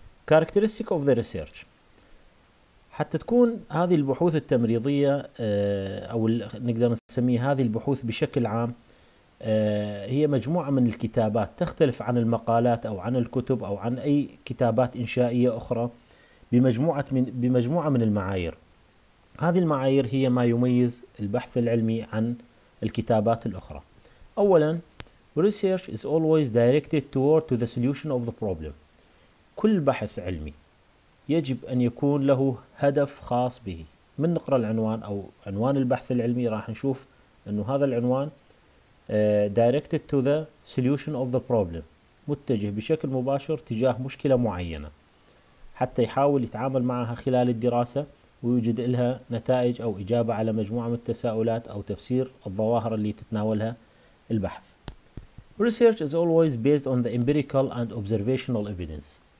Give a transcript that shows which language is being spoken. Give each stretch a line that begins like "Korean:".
English: Characteristic of the research،
Arabic: حتى تكون هذه البحوث التمريضية أو نقدر نسميها هذه البحوث بشكل عام هي مجموعة من الكتابات تختلف عن المقالات أو عن الكتب أو عن أي كتابات إنشائية أخرى بمجموعة من المعايير. هذه المعايير هي ما يميز البحث العلمي عن الكتابات الأخرى.
English: أولا، research is always directed toward to the solution of the problem.
Arabic: كل بحث علمي يجب أن يكون له هدف خاص به. من نقرأ العنوان أو عنوان البحث العلمي راح نشوف أنه هذا العنوان
English: directed to the solution of the problem،
Arabic: متجه بشكل مباشر تجاه مشكلة معينة حتى يحاول يتعامل معها خلال الدراسة ويوجد لها نتائج أو إجابة على مجموعة من التساؤلات أو تفسير الظواهر اللي تتناولها البحث.
English: Research is always based on the empirical and observational evidence.